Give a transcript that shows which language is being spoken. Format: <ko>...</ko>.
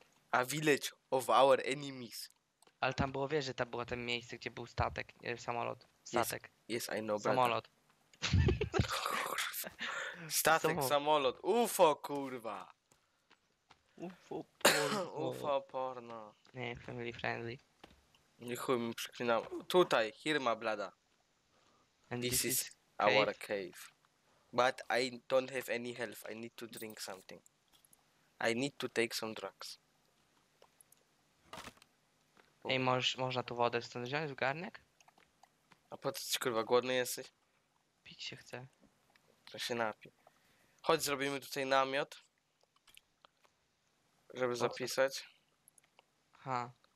<en>A village of our enemies.</en> <pl>Ale tam było, wiesz, że tam było ten miejsce, gdzie był statek, nie, samolot. Statek.</pl> <en>Yes, yes, I know, brother.</en> <pl>Samolot. Statek, samolot. UFO, kurwa. UFO porno. UFO porno. Nie,</pl> <en>family friendly.</en> <pl>Nie chuj mi przeklinam. Tutaj, Hirma blada.</pl> <en>And this is our cave? Cave. But I don't have any health. I need to drink something. I need to take some drugs.</en> <pl>Ej, hey, można tu wodę stąd wziąć w garnek? A po co ci kurwa, głodny jesteś? Pić się chce. To się napij. Chodź, zrobimy tutaj namiot. Żeby po zapisać. Co? Ha.</pl>